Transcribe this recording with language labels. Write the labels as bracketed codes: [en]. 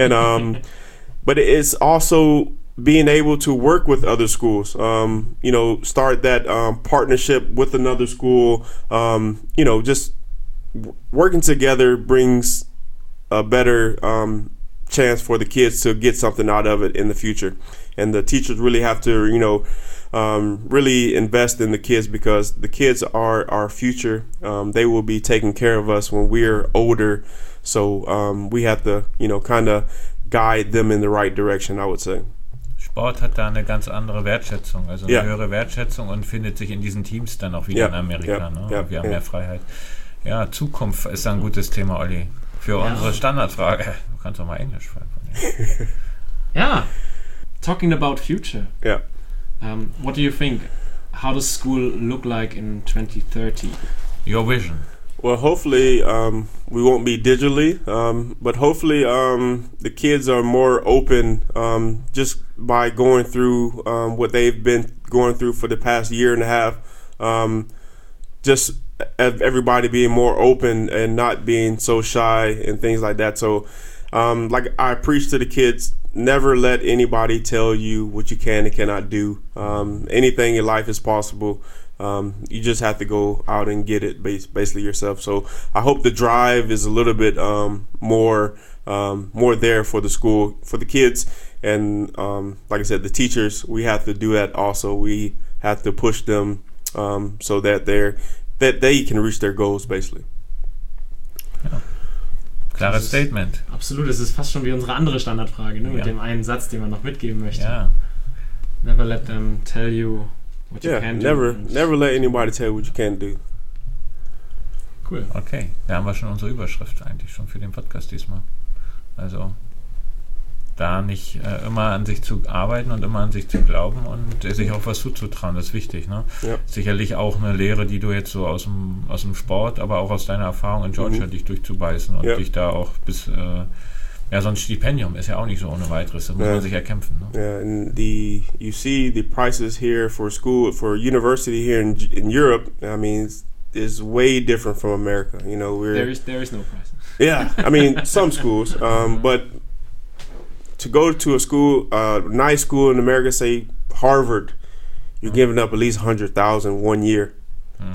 [en] And but it's also being able to work with other schools, you know, start that partnership with another school, you know, just working together brings a better chance for the kids to get something out of it in the future. And the teachers really have to, you know, really invest in the kids, because the kids are our future. They will be taking care of us when we're older. So we have to, you know, kind of guide them in the right direction, I would say. [de] Sport hat da eine ganz andere Wertschätzung, also eine höhere Wertschätzung, und findet sich in diesen Teams dann auch wieder in Amerika. Yeah. Ne? Yeah. Wir haben mehr Freiheit. Ja, Zukunft ist ein gutes Thema, Olli, für unsere Standardfrage. Du kannst auch mal Englisch fragen. [en] Ja, talking about future. Yeah. What do you think? How does school look like in 2030? Your vision. Well, hopefully we won't be digitally, but hopefully the kids are more open just by going through what they've been going through for the past year and a half. Just everybody being more open and not being so shy and things like that. So like I preach to the kids, never let anybody tell you what you can and cannot do. Anything in life is possible. You just have to go out and get it basically yourself. So I hope the drive is a little bit more there for the school, for the kids. And like I said, the teachers, we have to do that also. We have to push them so that they can reach their goals, basically. [de] Ja. Klares Statement. Absolut, es ist fast schon wie unsere andere Standardfrage, ne? Mit dem einen Satz, den man noch mitgeben möchte. Ja. [en] Never let them tell you what you can do. Never let anybody tell you what you can't do. Cool. [de] Okay, da haben wir schon unsere Überschrift eigentlich schon für den Podcast diesmal. Also da nicht immer an sich zu arbeiten und immer an sich zu glauben und sich auch was zuzutrauen, das ist wichtig. Ne? Ja. Sicherlich auch eine Lehre, die du jetzt so aus dem Sport, aber auch aus deiner Erfahrung in Georgia, dich durchzubeißen und dich da auch bis, so ein Stipendium ist ja auch nicht so ohne weiteres, da muss man sich erkämpfen. Ne? [en] Yeah, and you see the prices here for school, for university here in Europe, I mean, is way different from America. You know, there is no price. Yeah, I mean, some schools, but to go to a school, a nice school in America, say Harvard, you're giving up at least $100,000 one year. Mm-hmm.